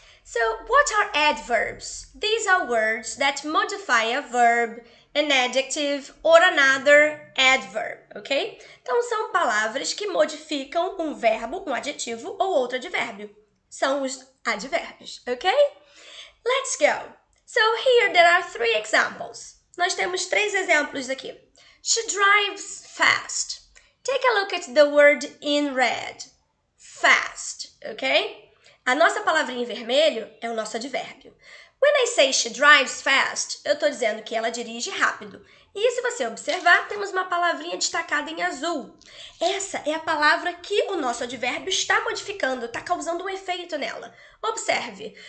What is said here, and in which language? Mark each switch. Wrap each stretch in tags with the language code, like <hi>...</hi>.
<en>So, what are adverbs? These are words that modify a verb an adjective or another adverb, ok?</en> <pt>Então, são palavras que modificam um verbo, um adjetivo ou outro advérbio. São os advérbios, ok?</pt> <en>Let's go. So, here there are three examples.</en> <pt>Nós temos três exemplos aqui.</pt> <en>She drives fast. Take a look at the word in red. Fast, ok?</en> <pt>A nossa palavrinha em vermelho é o nosso advérbio.</pt> <en>When I say she drives fast,</en> <pt>eu estou dizendo que ela dirige rápido. E se você observar, temos uma palavrinha destacada em azul. Essa é a palavra que o nosso advérbio está modificando, está causando um efeito nela. Observe.</pt>